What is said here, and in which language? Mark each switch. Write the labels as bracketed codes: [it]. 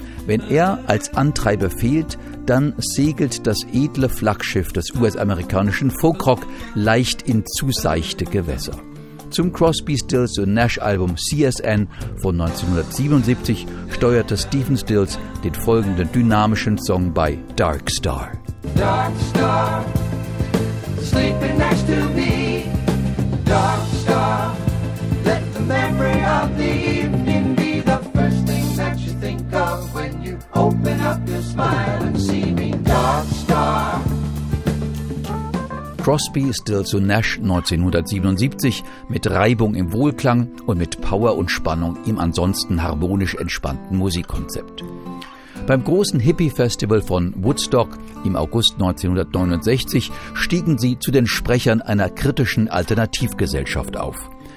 [de] Wenn er als Antreiber fehlt, dann segelt das edle Flaggschiff des US-amerikanischen Folkrock leicht in zu seichte Gewässer. Zum Crosby, Stills und Nash Album CSN von 1977 steuerte Stephen Stills den folgenden dynamischen Song bei Dark Star. [en] Dark Star, sleeping next to me. Dark Star, let the memory of the evening be the first thing that you think of when you open up your smile and see me. Dark Star. [de] Crosby, Stills und Nash 1977 mit Reibung im Wohlklang und mit Power und Spannung im ansonsten harmonisch entspannten Musikkonzept. Beim großen Hippie-Festival von Woodstock im August 1969 stiegen sie zu den Sprechern einer kritischen Alternativgesellschaft auf.